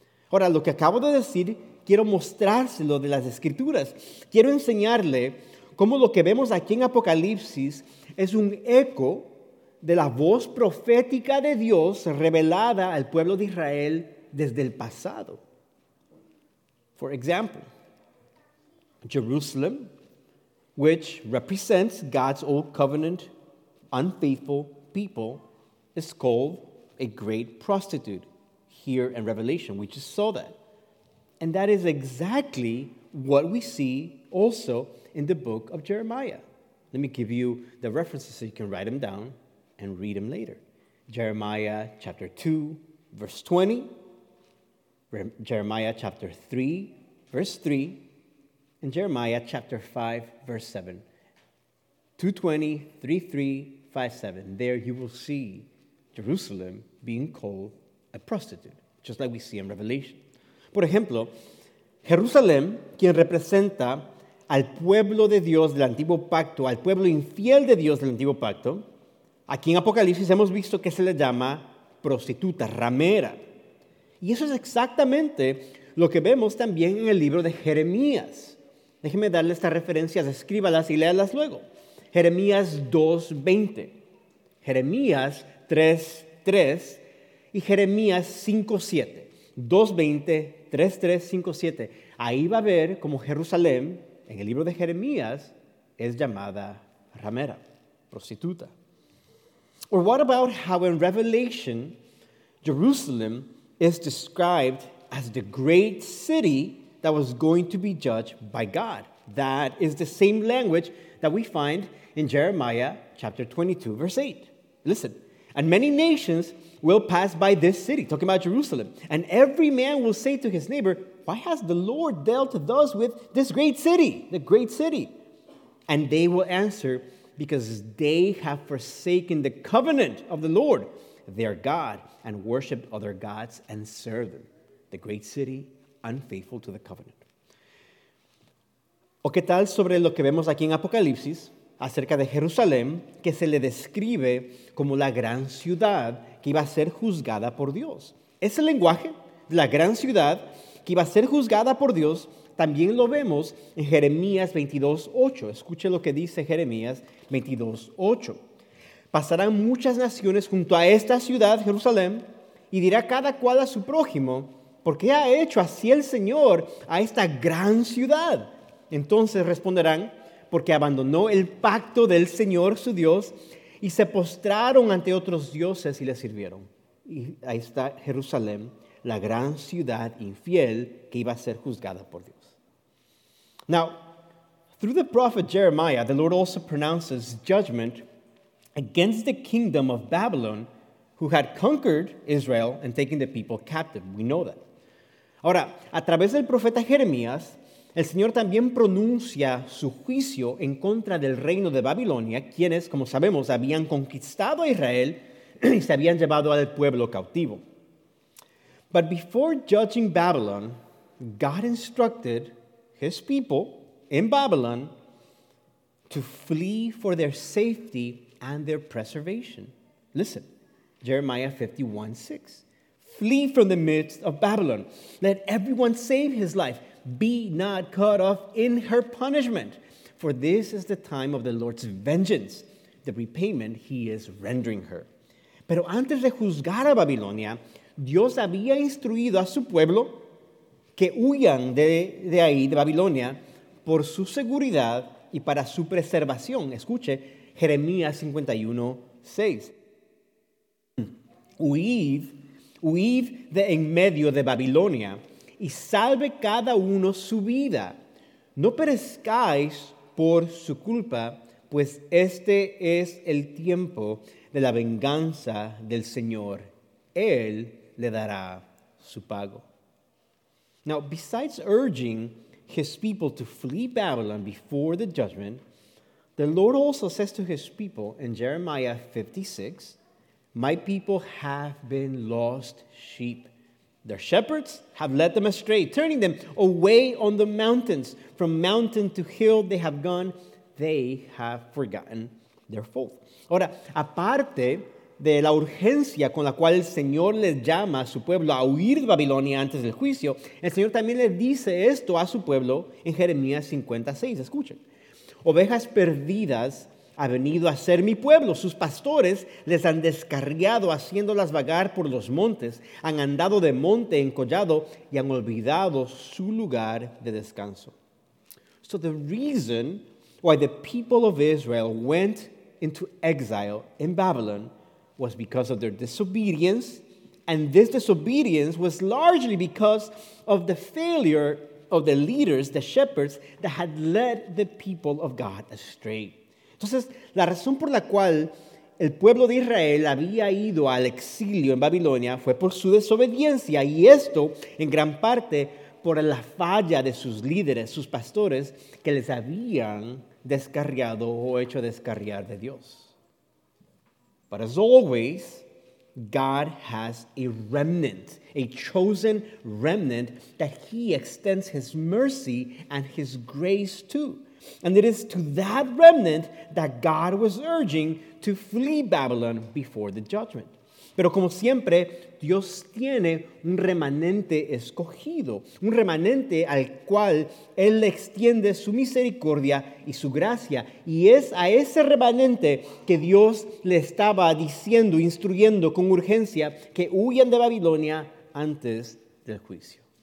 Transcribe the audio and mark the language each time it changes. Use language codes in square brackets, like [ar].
[es] Ahora, lo que acabo de decir, quiero mostrárselo de las Escrituras. Quiero enseñarle cómo lo que vemos aquí en Apocalipsis es un eco de la voz profética de Dios revelada al pueblo de Israel desde el pasado. [en] For example, Jerusalem, which represents God's old covenant unfaithful people, is called a great prostitute here in Revelation. We just saw that. And that is exactly what we see also in the book of Jeremiah. Let me give you the references so you can write them down and read them later. Jeremiah chapter 2, verse 20. Jeremiah chapter 3, verse 3, and Jeremiah chapter 5, verse 7. 220, 3, 3, 5, 7. There you will see Jerusalem being called a prostitute, just like we see in Revelation. [es] Por ejemplo, Jerusalén, quien representa al pueblo de Dios del antiguo pacto, al pueblo infiel de Dios del antiguo pacto, aquí en Apocalipsis hemos visto que se le llama prostituta, ramera. Y eso es exactamente lo que vemos también en el libro de Jeremías. Déjenme darle estas referencias, escríbalas y léalas luego. Jeremías 2:20, Jeremías 3:3 y Jeremías 5:7. 2:20, 3:3, 5:7. Ahí va a ver cómo Jerusalén, en el libro de Jeremías, es llamada ramera, prostituta. [en] Or what about how in Revelation, Jerusalem is described as the great city that was going to be judged by God? That is the same language that we find in Jeremiah chapter 22, verse 8. Listen, and many nations will pass by this city, talking about Jerusalem, and every man will say to his neighbor, why has the Lord dealt thus with this great city, the great city? And they will answer, because they have forsaken the covenant of the Lord, their God, and worshiped other gods and served them. The great city, unfaithful to the covenant. [es] ¿O qué tal sobre lo que vemos aquí en Apocalipsis acerca de Jerusalén, que se le describe como la gran ciudad que iba a ser juzgada por Dios? Ese lenguaje de la gran ciudad que iba a ser juzgada por Dios también lo vemos en Jeremías 22:8. Escuche lo que dice Jeremías 22:8. Pasarán muchas naciones junto a esta ciudad, Jerusalén, y dirá cada cual a su prójimo, ¿por qué ha hecho así el Señor a esta gran ciudad? Entonces responderán, porque abandonó el pacto del Señor, su Dios, y se postraron ante otros dioses y le sirvieron. Y ahí está Jerusalén, la gran ciudad infiel que iba a ser juzgada por Dios. [en] Now, through the prophet Jeremiah, the Lord also pronounces judgment against the kingdom of Babylon, who had conquered Israel and taken the people captive. We know that. [es] Ahora, a través del profeta Jeremías, el Señor también pronuncia su juicio en contra del reino de Babilonia, quienes, como sabemos, habían conquistado a Israel y se habían llevado al pueblo cautivo. [en] But before judging Babylon, God instructed his people in Babylon to flee for their safety and their preservation. Listen, Jeremiah 51:6. Flee from the midst of Babylon. Let everyone save his life. Be not cut off in her punishment, for this is the time of the Lord's vengeance, the repayment he is rendering her. [es] Pero antes de juzgar a Babilonia, Dios había instruido a su pueblo que huyan de ahí, de Babilonia, por su seguridad y para su preservación. Escuche, Jeremías 51:6. Huid de en medio de Babilonia, y salve cada uno su vida. No perezcáis por su culpa, pues este es el tiempo de la venganza del Señor. Él le dará su pago. [en] Now, besides urging his people to flee Babylon before the judgment, the Lord also says to his people in Jeremiah 56, my people have been lost sheep. Their shepherds have led them astray, turning them away on the mountains. From mountain to hill they have gone. They have forgotten their fold. [es] Ahora, aparte de la urgencia con la cual el Señor les llama a su pueblo a huir de Babilonia antes del juicio, el Señor también le dice esto a su pueblo en Jeremías 56. Escuchen. Ovejas perdidas ha venido a ser mi pueblo. Sus pastores les han descarriado, haciéndolas vagar por los montes. Han andado de monte en collado y han olvidado su lugar de descanso. [en] So the reason why the people of Israel went into exile in Babylon was because of their disobedience. And this disobedience was largely because of the failure of the leaders, the shepherds, that had led the people of God astray. [es] Entonces, la razón por la cual el pueblo de Israel había ido al exilio en Babilonia fue por su desobediencia, y esto en gran parte por la falla de sus líderes, sus pastores, que les habían descarriado o hecho descarriar de Dios. [en] But as always, God has a remnant, a chosen remnant that he extends his mercy and his grace to. And it is to that remnant that God was urging to flee Babylon before the judgment. [es] Pero como siempre, Dios tiene un remanente escogido, un remanente al cual él extiende su misericordia y su gracia. Y es a ese remanente que Dios le estaba diciendo, instruyendo con urgencia, que huyan de Babilonia antes del juicio.